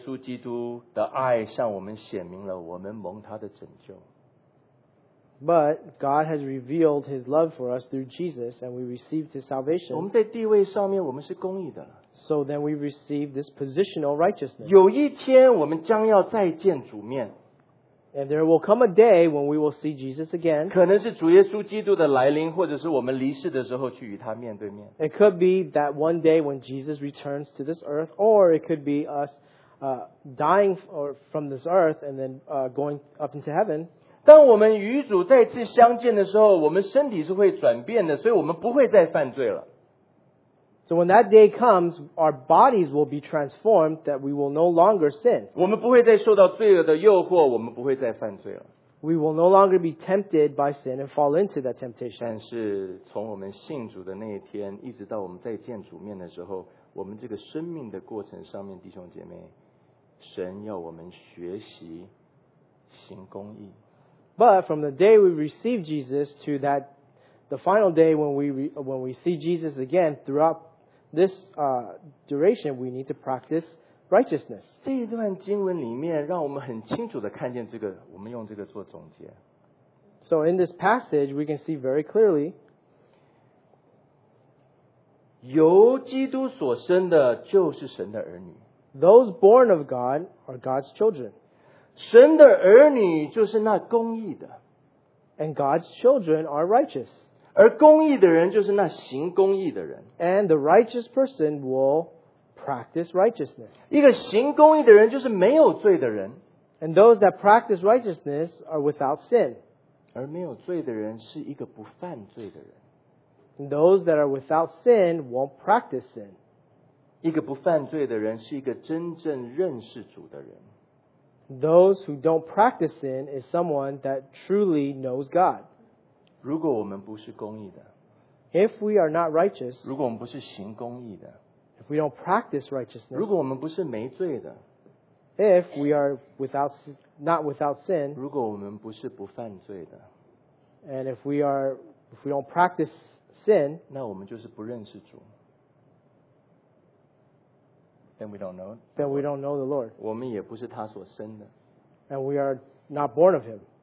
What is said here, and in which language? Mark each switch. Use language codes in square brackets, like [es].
[zh] 但是有一天主耶稣基督的爱向我们显明了, 我们蒙他的拯救。 [en] But God has revealed His love for us through Jesus, and we received His salvation. [zh] 我们在地位上面我们是公义的, [en] so then we received this positional righteousness. [zh] 有一天我们将要再见主面, [en] and there will come a day when we will see Jesus again. [zh] 可能是主耶稣基督的来临, 或者是我们离世的时候去与他面对面。 [en] It could be that one day when Jesus returns to this earth, or it could be us dying from this earth and then going up into heaven. [zh] 当我们与主再次相见的时候, 我们身体是会转变的, 所以我们不会再犯罪了。 [en] So when that day comes, our bodies will be transformed that we will no longer sin. [zh] 我们不会再受到罪恶的诱惑, 我们不会再犯罪了。 [en] We will no longer be tempted by sin and fall into that temptation. [zh] 但是从我们信主的那一天, 一直到我们再见主面的时候, 我们这个生命的过程上面, 弟兄姐妹, 神要我们学习行公义。 [en] But from the day we receive Jesus to that, the final day when we see Jesus again throughout this duration, we need to practice righteousness. [zh] 这一段经文里面让我们很清楚地看见这个, 我们用这个做总结。 [en] So in this passage, we can see very clearly, [zh] 由基督所生的就是神的儿女。 [en] Those born of God are God's children. [zh] 神的儿女就是那公义的。 [en] And God's children are righteous. [zh] 而公义的人就是那行公义的人。 [en] And the righteous person will practice righteousness. [zh] 一个行公义的人就是没有罪的人。 [en] And those that practice righteousness are without sin. [zh] 而没有罪的人是一个不犯罪的人。 [en] And those that are without sin won't practice sin. [zh] 一个不犯罪的人是一个真正认识主的人。 [en] Those who don't practice sin is someone that truly knows God. [zh] 如果我们不是公义的， [en] if we are not righteous, [zh] 如果我们不是行公义的， [en] if we don't practice righteousness, [zh] 如果我们不是没罪的， [en] if we are without, not without sin, [zh] 如果我们不是不犯罪的， [en] and if we don't practice sin, [zh] 那我们就是不认识主。 [en] Then we don't know. Then we don't know the Lord. [zh] 我们也不是他所生的。 [en] And we are not born of him.